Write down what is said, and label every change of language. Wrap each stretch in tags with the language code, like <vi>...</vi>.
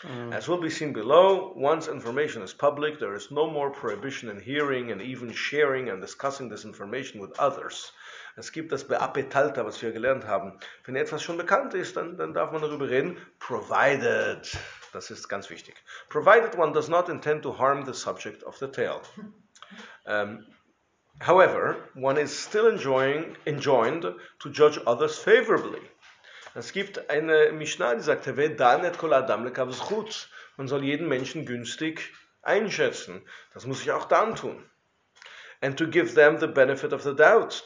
<en>As will be seen below, once information is public, there is no more prohibition in hearing and even sharing and discussing this information with others.</en> <de>Es gibt das Beapetalta, was wir gelernt haben. Wenn etwas schon bekannt ist, dann darf man darüber reden. Provided, das ist ganz wichtig.</de> <en>Provided one does not intend to harm the subject of the tale. However, one is still enjoined to judge others favorably.</en> <de>Es gibt eine Mishnah, die sagt, man soll jeden Menschen günstig einschätzen. Das muss ich auch dann tun.</de> <en>And to give them the benefit of the doubt.</en>